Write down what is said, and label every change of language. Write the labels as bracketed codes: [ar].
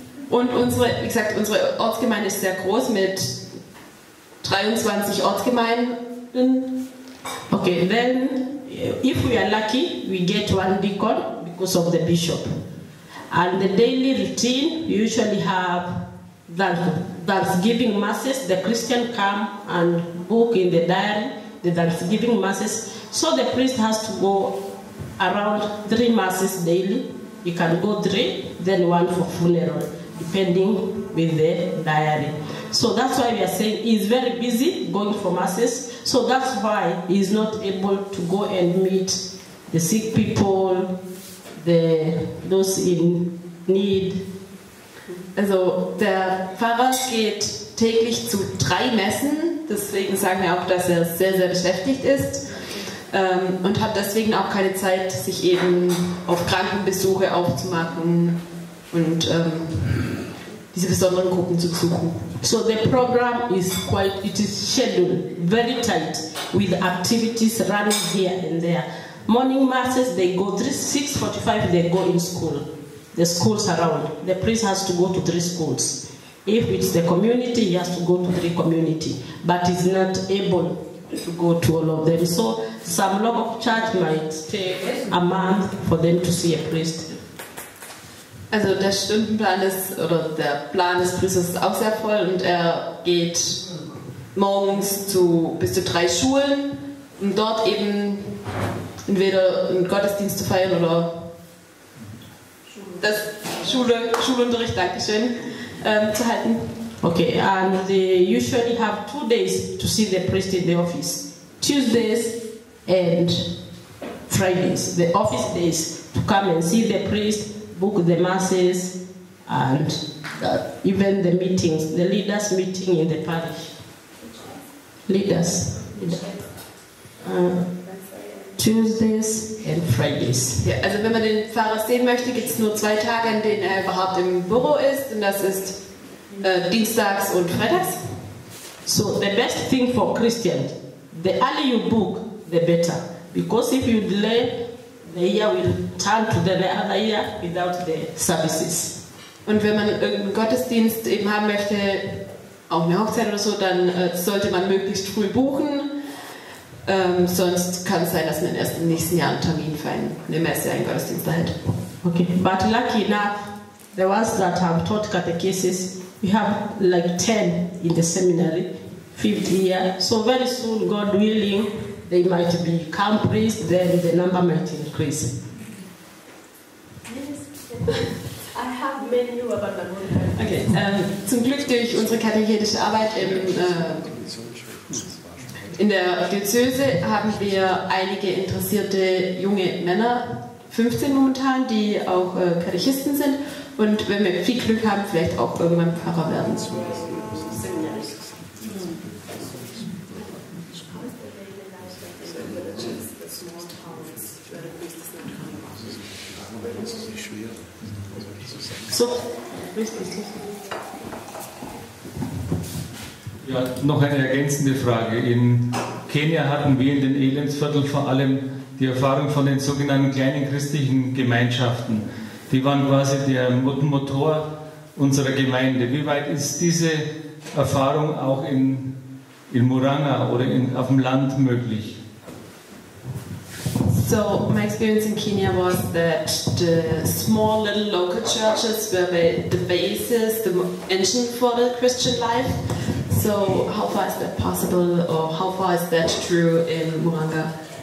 [de] Und unsere, wie gesagt, unsere Ortsgemeinde ist sehr groß mit 23 Ortsgemeinden. [en] Okay, then, if we are lucky, we get 1 deacon because of the bishop. And the daily routine, we usually have Thanksgiving masses. The Christian come and book in the diary the Thanksgiving masses. So the priest has to go around 3 masses daily. You can go three, then one for funeral, depending with the diary. So that's why we are saying he's very busy going for masses. So that's why he's not able to go and meet the sick people, those in need. [de] Also der Pfarrer geht täglich zu drei Messen, deswegen sagen wir auch, dass er sehr, sehr beschäftigt ist und hat deswegen auch keine Zeit, sich eben auf Krankenbesuche aufzumachen und diese besonderen Gruppen zu besuchen. [en] So the program is quite, it is scheduled very tight with activities running here and there. Morning masses, they go 6:45, they go in school. The schools around. The priest has to go to three schools. If it's the community, he has to go to three community. But he's not able to go to all of them. So some local church might take a month for them to see a priest. [de] Also der Stundenplan ist, oder der Plan des Priesters ist auch sehr voll und er geht morgens zu bis zu drei Schulen, um dort eben entweder einen Gottesdienst zu feiern oder das Schulunterricht, Dankeschön, zu halten. [en] Okay, and they usually have 2 days to see the priest in the office. Tuesdays and Fridays, the office days, to come and see the priest, book the masses, and even the meetings, the leaders meeting in the parish. Leaders. Tuesdays and Fridays. [de] Ja, also wenn man den Pfarrer sehen möchte, gibt es nur 2 Tage, an denen er überhaupt im Büro ist, und das ist dienstags und freitags. [en] So the best thing for Christian, the earlier you book, the better. Because if you delay, the year will turn to the other year without the services. [de] Und wenn man irgendeinen Gottesdienst eben haben möchte, auch eine Hochzeit oder so, dann sollte man möglichst früh buchen. Sonst kann es sein, dass man erst im nächsten Jahr einen Termin für eine Messe, einen Gottesdienst erhält. [en] Okay, but lucky enough, the ones that have taught catechesis, we have like 10 in the seminary, 50 years. So very soon, God willing, they might become priests, then the number might increase. Yes, I have many new about that one. [de] Okay, zum Glück durch unsere katechetische Arbeit in der Diözese haben wir einige interessierte junge Männer, 15 momentan, die auch Katechisten sind. Und wenn wir viel Glück haben, vielleicht auch irgendwann Pfarrer werden. So. Ja, noch eine ergänzende Frage. In Kenia hatten wir in den Elendsvierteln vor allem die Erfahrung von den sogenannten kleinen christlichen Gemeinschaften. Die waren quasi der Motor unserer Gemeinde. Wie weit ist diese Erfahrung auch in Muranga oder auf dem Land möglich? [en] So, my experience in Kenya was that the small little local churches were the basis, the engine for the Christian life. So, how far is that possible, or how far is that true in Muranga?